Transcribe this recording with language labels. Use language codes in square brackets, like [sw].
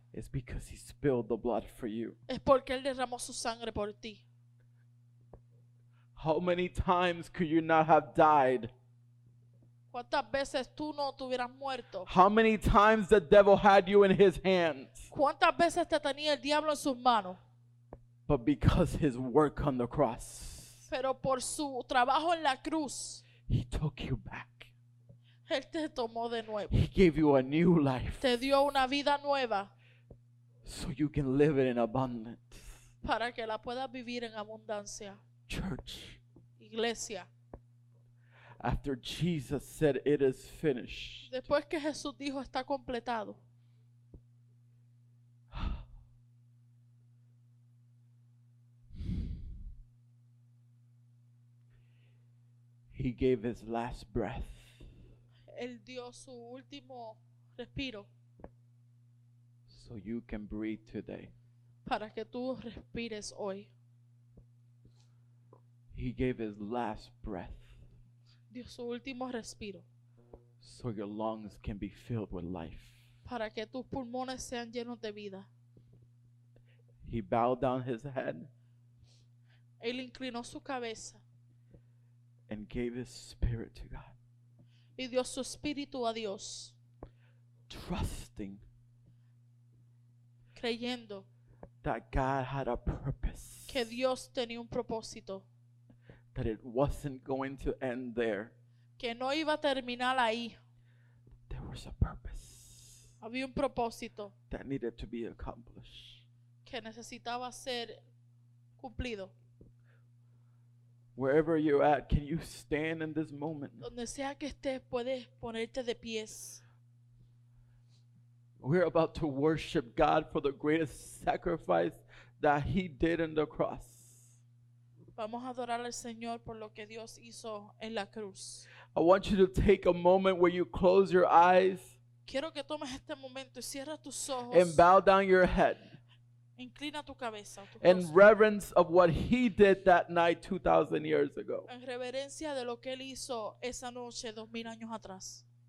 [en] It's because he spilled the blood for you. [es] Es porque él derramó su sangre por ti. [en] How many times could you not have died? [es] ¿Cuántas veces tú no te hubieras muerto? [en] How many times the devil had you in his hands? [es] ¿Cuántas veces te tenía el diablo en sus manos? [en] But because his work on the cross. [es] Pero por su trabajo en la cruz. [en] He took you back. [es] Él te tomó de nuevo. [en] He gave you a new life. [es] Te dio una vida nueva. [en] So you can live it in abundance. [es] Para que la puedas vivir en abundancia. [en] Church. [es] Iglesia. [en] After Jesus said, "It is finished." [es] Después que Jesús dijo, está completado. [en] He gave his last breath. [es] Él dio su último respiro. [en] So you can breathe today. [es] Para que tú respires hoy. [en] He gave his last breath. [es] Dio su último respiro. [en] So your lungs can be filled with life. [es] Para que tus pulmones sean llenos de vida. [en] He bowed down his head. [es] Él inclinó su cabeza. [en] And gave his spirit to God. [es] Y dio su espíritu a Dios. [en] Trusting. [es] Creyendo. [en] That God had a purpose. [es] Que Dios tenía un propósito. [en] That it wasn't going to end there. [es] Que no iba a terminar ahí. [en] There was a purpose. [es] Había un propósito. [en] That needed to be accomplished. [es] Que necesitaba ser cumplido. [en] Wherever you're at, can you stand in this moment? [es] Donde sea que estés, puedes ponerte de pies. [en] We're about to worship God for the greatest sacrifice that he did on the cross. [es] Vamos a adorar al Señor por lo que Dios hizo en la cruz. [en] I want you to take a moment where you close your eyes. [es] Quiero que tomes este momento y cierres tus ojos. [en] And bow down your head. [es] Inclina tu cabeza. [en] In reverence of what he did that night 2,000 years ago. [es] En reverencia de lo que él hizo esa noche 2,000 años atrás.